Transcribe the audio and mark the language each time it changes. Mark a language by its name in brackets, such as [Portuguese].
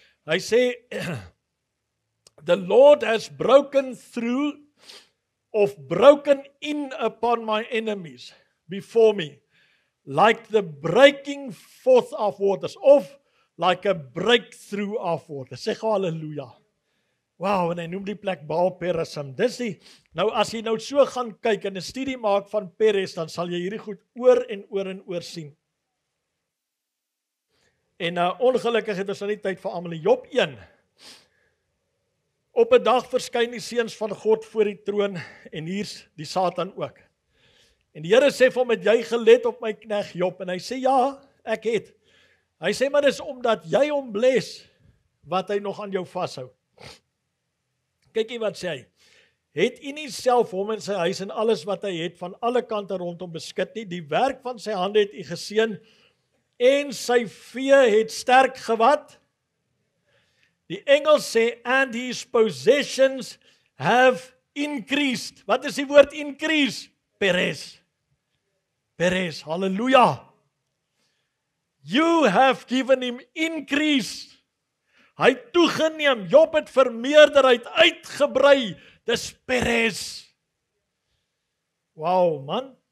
[Afrikaans] Hy sê, [English] the Lord has broken through of broken in upon my enemies before me, like the breaking forth of waters, of like a breakthrough of waters. [Afrikaans] Sê gou halleluja. Wow, en hy noem die plek Baal Perazim. Dis die, nou as jy nou so gaan kyk en een studie maak van Peres, dan sal jy hierdie goed oor en oor en oor sien. En ongelukkig het ons nou nie tyd vir almal. Job 1. Op een dag verskyn die seuns van God voor die troon en hier's die Satan ook. En die Here sê vir hom, het jy gelet op my kneg Job? En hy sê, ja, ek het. Hy sê, maar dis omdat jy hom bles wat hy nog aan jou vashou. Kyk jy wat sê hy. Het jy nie self hom in sy huis en alles wat hy het van alle kante rondom beskit nie? Die werk van sy hande het jy geseen en sy vee het sterk gewat. Die Engels sê, [English] and his possessions have increased. [Afrikaans] Wat is die woord increase? Peres. Peres, halleluja. [English] You have given him increase. [Afrikaans] Hy toegeneem, Job het vermeerder, hy het uitgebrei. Dis peres. Wow, man.